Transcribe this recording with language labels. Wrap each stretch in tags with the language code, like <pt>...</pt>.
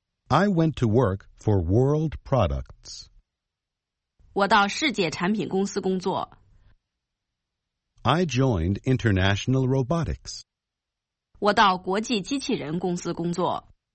<en>I went to work for World Products.</en> <zh>我到世界产品公司工作。</zh> <en>I joined International Robotics.</en> <zh>我到国际机器人公司工作。</zh>